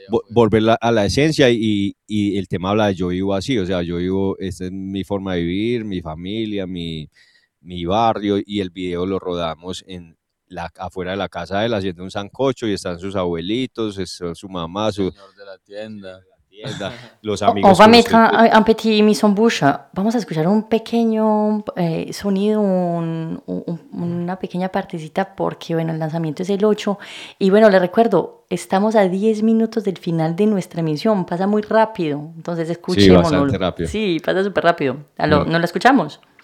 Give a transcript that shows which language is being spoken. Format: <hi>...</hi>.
<es>volver a la esencia y el tema habla de Yo Vivo Así, o sea, yo vivo, esta es mi forma de vivir, mi familia, mi barrio, y el video lo rodamos en la afuera de la casa de él haciendo un sancocho, y están sus abuelitos, están su mamá, su señor de la tienda, los amigos.</es> <fr>On va mettre un petit mise en bouche.</fr> <es>Vamos a escuchar un pequeño sonido, una pequeña partecita, porque bueno, el lanzamiento es el 8. Y bueno, les recuerdo, estamos a 10 minutos del final de nuestra emisión. Pasa muy rápido. Entonces, escuchémonos. Sí, bastante rápido. Sí, pasa súper rápido. ¿No la escuchamos?</es>